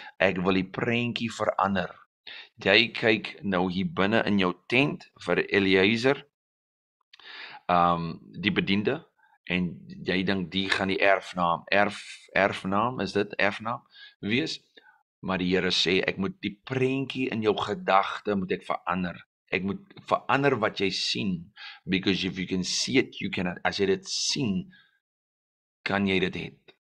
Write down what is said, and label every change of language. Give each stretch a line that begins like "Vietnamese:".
Afrikaans: Ek wil die prentjie verander. Jy kyk nou hier binne in jou tent vir Eliezer, die bediende, en jy dink die gaan die erfnaam is dit erfnaam wees. Maar die Here sê, ek moet die prentjie in jou gedagte moet ek verander. Ek moet verander wat jy sien.
English: Because if you can see it, you cannot.
Afrikaans: As jy dit sien, kan jy dit het.